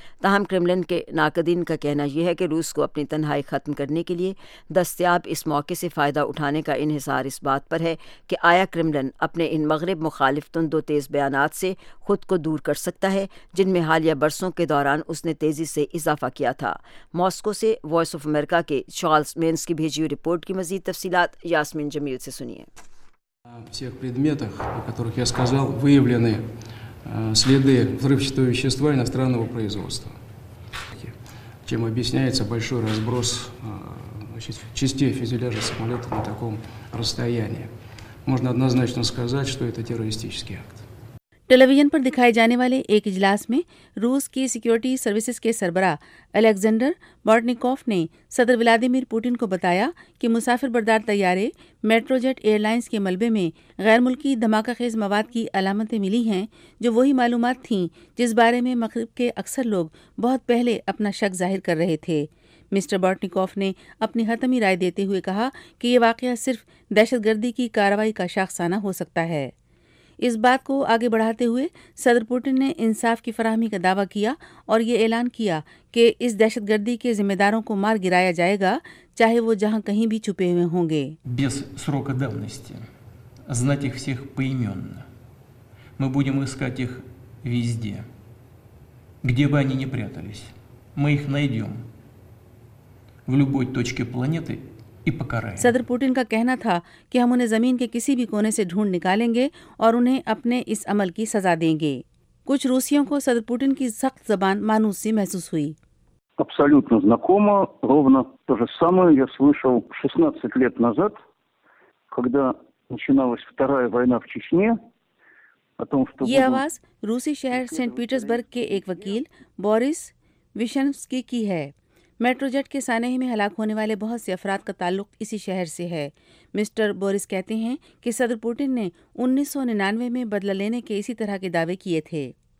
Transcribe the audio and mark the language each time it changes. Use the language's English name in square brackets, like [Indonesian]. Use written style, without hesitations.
[Urdu] تاہم کرملن کے ناقدین کا کہنا یہ ہے کہ روس کو اپنی تنہائی ختم کرنے کے لیے دستیاب اس موقع سے فائدہ اٹھانے کا انحصار اس بات پر ہے کہ آیا کرملن اپنے ان مغرب مخالف تندو تیز بیانات سے خود کو دور کر سکتا ہے جن میں حالیہ برسوں کے دوران اس نے تیزی سے اضافہ کیا تھا. ماسکو سے وائس آف امریکہ کے چارلز مینز کی بھیجی ہوئی رپورٹ کی مزید تفصیلات یاسمین جمیل سے سنیے. [Russian] Всех предметах, о которых я сказал, выявлены следы взрывчатого вещества иностранного производства, чем объясняется большой разброс частей фюзеляжа самолета на таком расстоянии. Можно однозначно сказать, что это террористический акт. [Urdu] ٹیلیویژن پر دکھائے جانے والے ایک اجلاس میں روس کی سیکیورٹی سروسز کے سربراہ الیگزینڈر بورٹنیکوف نے صدر ولادیمیر پوٹن کو بتایا کہ مسافر بردار طیارے میٹرو جیٹ ایئر لائنز کے ملبے میں غیر ملکی دھماکہ خیز مواد کی علامتیں ملی ہیں جو وہی معلومات تھیں جس بارے میں مغرب کے اکثر لوگ بہت پہلے اپنا شک ظاہر کر رہے تھے. مسٹر بورٹنیکوف نے اپنی حتمی رائے دیتے ہوئے کہا کہ یہ واقعہ صرف دہشت گردی کی کارروائی کا شاخسانہ ہو سکتا ہے. اس بات کو آگے بڑھاتے ہوئے صدر پوٹن نے انصاف کی فراہمی کا دعویٰ کیا اور یہ اعلان کیا کہ اس دہشت گردی کے ذمہ داروں کو مار گرایا جائے گا چاہے وہ جہاں کہیں بھی چھپے ہوئے ہوں گے. [Russian] Без срока давности знать их всех поименно. Мы будем искать их везде, где бы они ни прятались. Мы их найдем в любой точке планеты. [Urdu] صدر پوٹن کا کہنا تھا کہ ہم انہیں زمین کے کسی بھی کونے سے ڈھونڈ نکالیں گے اور انہیں اپنے اس عمل کی سزا دیں گے. کچھ روسیوں کو صدر پوٹن کی سخت زبان مانوس سی محسوس ہوئی. [Russian] абсолютно знакомо, ровно то же самое я слышал 16 лет назад, когда начиналась вторая война в Чечне. [Urdu] یہ آواز روسی شہر سینٹ پیٹرزبرگ کے ایک وکیل بوریس وشنسکی کی ہے. میٹرو جیٹ کے سانحے میں ہلاک ہونے والے بہت سے افراد کا تعلق اسی شہر سے ہے. مسٹر بوریس کہتے ہیں کہ صدر پوٹن نے 1999 میں بدلہ لینے کے اسی طرح کے دعوے کیے تھے.